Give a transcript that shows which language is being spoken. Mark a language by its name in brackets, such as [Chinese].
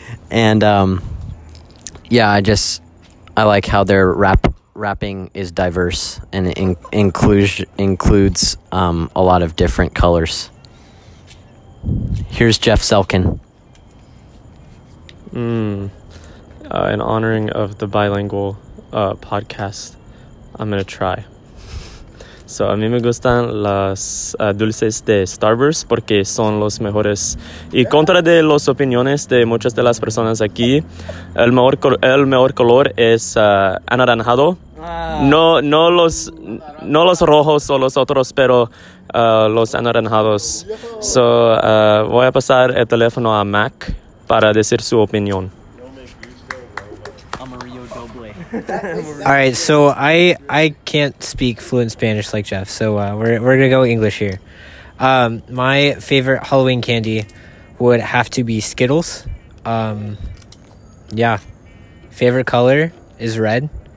[English] And I like how their wrapping is diverse and includes a lot of different colors. Here's Jeff Selkin. In honoring of the bilingual podcast, I'm going to try. [Spanish] So a mí me gustan las dulces de Starburst porque son los mejores. Y contra de las opiniones de muchas de las personas aquí, el mejor color es anaranjado. No los rojos o los otros, pero los anaranjados. So, voy a pasar el teléfono a Mac para decir su opinión. [English] All right, so I can't speak fluent Spanish like Jeff, so we're gonna go English here. My favorite Halloween candy would have to be Skittles. Favorite color is red.